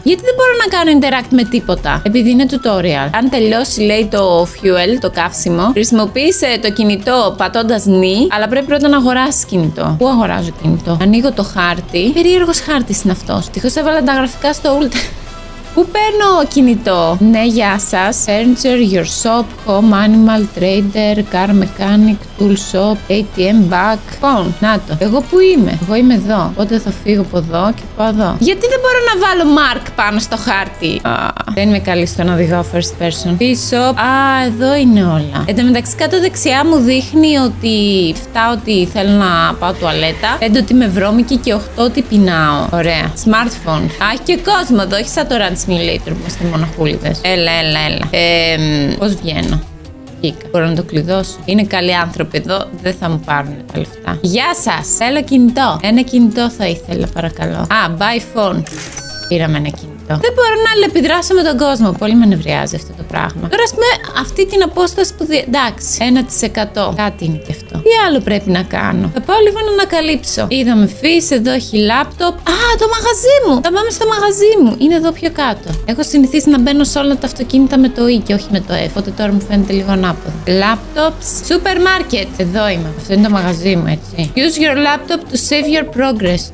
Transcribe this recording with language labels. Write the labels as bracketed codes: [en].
[el] Γιατί δεν μπορώ να κάνω interact με τίποτα. Επειδή είναι tutorial. Αν τελειώσει, λέει το fuel, το καύσιμο, χρησιμοποίησε το κινητό πατώντας νη, αλλά πρέπει πρώτα να αγοράσει κινητό. Πού αγοράζω κινητό? Ανοίγω το χάρτη. Περίεργος χάρτης είναι αυτός. Τυχώς έβαλα τα γραφικά στο ultra. Πού παίρνω κινητό? Ναι, γεια σας. [en] Furniture, your shop, home, animal, trader, car mechanic, tool shop, ATM, back, phone. [el] Να το. Εγώ πού είμαι? Εγώ είμαι εδώ. Οπότε θα φύγω από εδώ και πάω εδώ. Γιατί δεν μπορώ να βάλω mark πάνω στο χάρτη? Δεν είμαι καλή στον οδηγό first person. Πίσω. Α, εδώ είναι όλα. Εν τω μεταξύ, κάτω δεξιά μου δείχνει ότι 7 ότι θέλω να πάω τουαλέτα, 5 ότι είμαι βρώμικη και 8 ότι πεινάω. Ωραία. Smartphone. Α, έχει και κόσμο εδώ, όχι σαν το Run Simulator που είμαστε μοναχούλιδες. Έλα, έλα, έλα. Πώς βγαίνω? Μπορώ να το κλειδώσω. Είναι καλοί άνθρωποι εδώ, δεν θα μου πάρουν τα λεφτά. Γεια σας. Θέλω κινητό. Ένα κινητό θα ήθελα, παρακαλώ. Α, [en] buy phone. [el] Πήραμε ένα κινητό. Δεν μπορώ να αλληλεπιδράσω με τον κόσμο. Πολύ με νευριάζει αυτό το πράγμα. Τώρα, ας πούμε, αυτή την απόσταση που. Εντάξει, 1%. Κάτι είναι και αυτό. Τι άλλο πρέπει να κάνω? Θα πάω λίγο να ανακαλύψω. Είδαμε φύση, εδώ έχει λάπτοπ. Α, το μαγαζί μου! Θα πάμε στο μαγαζί μου. Είναι εδώ πιο κάτω. Έχω συνηθίσει να μπαίνω σε όλα τα αυτοκίνητα με το E και όχι με το F. Οπότε τώρα μου φαίνεται λίγο ανάποδο. Λάπτοπς. Supermarket. Εδώ είμαι. Αυτό είναι το μαγαζί μου, έτσι. [en] Use your laptop to save your progress.